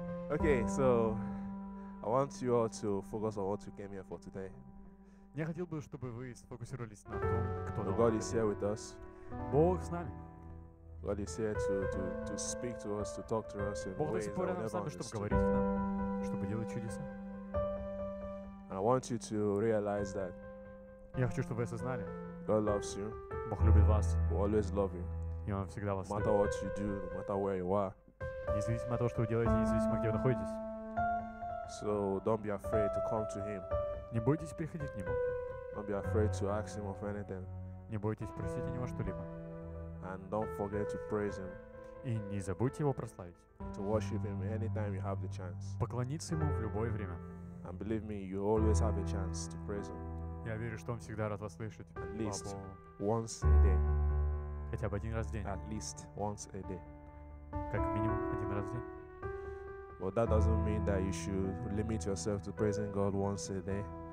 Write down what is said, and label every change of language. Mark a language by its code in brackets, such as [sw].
[en] Okay, so I want you all to focus on what you came here for today. [ru] Я хотел бы, чтобы вы сфокусировались на том, кто дал. [en] God is here with us. [ru] Бог с нами. [en] God is here to speak to us, to talk to us in ways that we never understood. [ru] Чтобы говорить к нам, чтобы делать чудеса. [en] And I want you to realize that. [ru] Я хочу, чтобы вы осознали. [en] God loves you. [ru] Бог любит вас. [en] He always loves you. [ru] И он всегда вас любит. [en] Matter what you do, no matter where you are. [ru] Независимо от того, что вы делаете, независимо где вы находитесь. [en] So don't be afraid to come to him. [ru] Не бойтесь приходить к нему. [en] Don't be afraid to ask him of anything. [ru] Не бойтесь просить у него что-либо. [en] And don't forget to praise him. [ru] И не забудьте его прославить. [en] To worship him anytime you have the chance. [ru] Поклониться ему в любое время. [en] And believe me, you always have a chance to praise him. [ru] Я верю, что он всегда рад вас слышать. [en] At least once a day. [ru] Хотя бы один раз в день. [en] At least once a day. [ru] Как минимум один раз в день. [en] But that doesn't mean that you should limit yourself to praising God once a day.